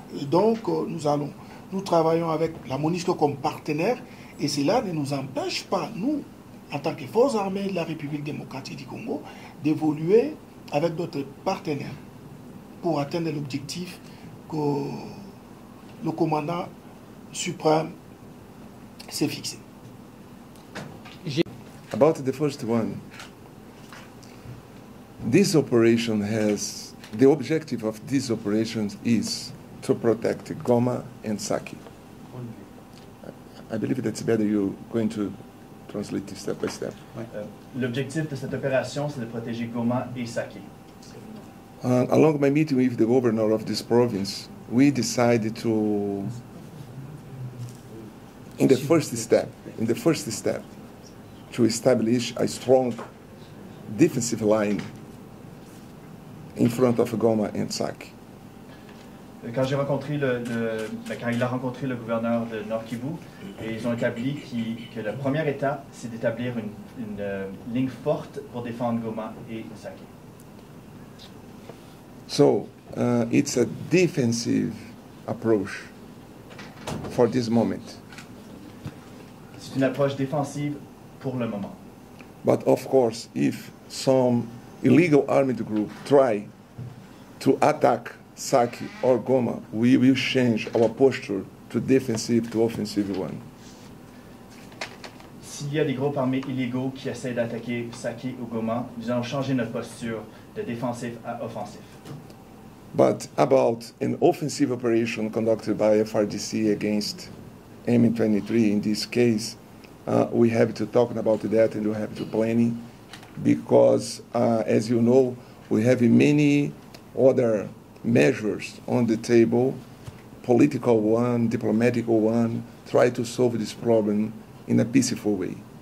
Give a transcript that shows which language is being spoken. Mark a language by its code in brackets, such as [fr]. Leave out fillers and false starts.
[fr] Donc, nous travaillons avec la MONUSCO comme partenaire et cela ne nous empêche pas, nous, en tant que forces armées de la République démocratique du Congo, d'évoluer avec d'autres partenaires pour atteindre l'objectif que le commandant suprême s'est fixé. [en] About the first one, this operation has the objective of this operation is to protect Goma and Saki. I believe that's better you're going to translate it step by step. [fr] L'objectif de cette opération, c'est de protéger Goma et Saki. [en] Along my meeting with the governor of this province, we decided to, in the first step, to establish a strong defensive line in front of Goma and Saki. [fr] Quand j'ai rencontré quand il a rencontré le gouverneur de Nord Kivu, et ils ont établi que la première étape, c'est d'établir une ligne forte pour défendre Goma et Saki. [en] So, it's a defensive approach for this moment. [fr] C'est une approche défensive pour le moment. [en] But of course, if some illegal armed group try to attack Saki or Goma, we will change our posture to defensive to offensive one. [fr] S'il y a des groupes armés illégaux qui essaient d'attaquer Saki ou Goma, nous allons changer notre posture de défensif à offensif. [en] But about an offensive operation conducted by FRDC against M23 in this case, we have to talk about that and we have to plan it because, as you know, we have many other measures on the table, political one, diplomatic one, try to solve this problem in a peaceful way.